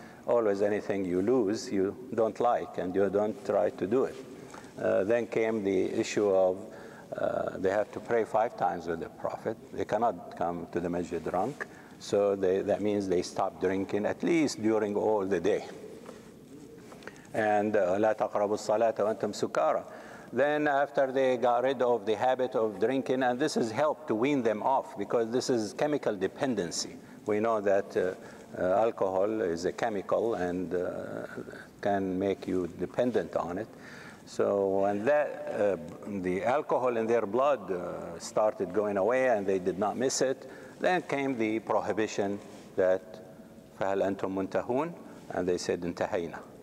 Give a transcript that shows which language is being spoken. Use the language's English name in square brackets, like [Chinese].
[English] Always anything you lose, you don't like, and you don't try to do it. Then came the issue of they have to pray five times with the Prophet. They cannot come to the masjid drunk. So that means they stop drinking at least during all the day. [Arabic] And لا تقربوا الصلاة وأنتم سكارى. [English] Then after they got rid of the habit of drinking, and this has helped to wean them off, because this is chemical dependency. We know that alcohol is a chemical and can make you dependent on it. So when that the alcohol in their blood started going away and they did not miss it, then came the prohibition that [Arabic] فَهَلْ أَنْتُمْ مُنْتَهُونَ, [English] and they said [Arabic] انتهينا.